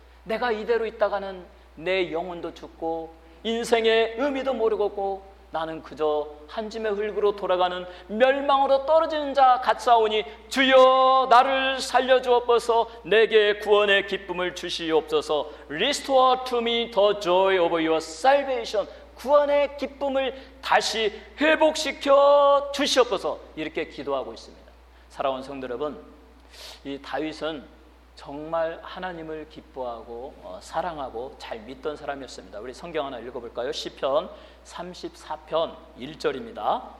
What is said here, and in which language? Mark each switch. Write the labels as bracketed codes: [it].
[ko] 내가 이대로 있다가는 내 영혼도 죽고 인생의 의미도 모르겠고 나는 그저 한짐의 흙으로 돌아가는 멸망으로 떨어지는 자 같사오니 주여 나를 살려 주옵소서, 내게 구원의 기쁨을 주시옵소서. [en] Restore to me the joy of your salvation. [ko] 구원의 기쁨을 다시 회복시켜 주시옵소서. 이렇게 기도하고 있습니다. 사랑하는 성도 여러분, 이 다윗은 정말 하나님을 기뻐하고 사랑하고 잘 믿던 사람이었습니다. 우리 성경 하나 읽어볼까요? 시편 34편 1절입니다.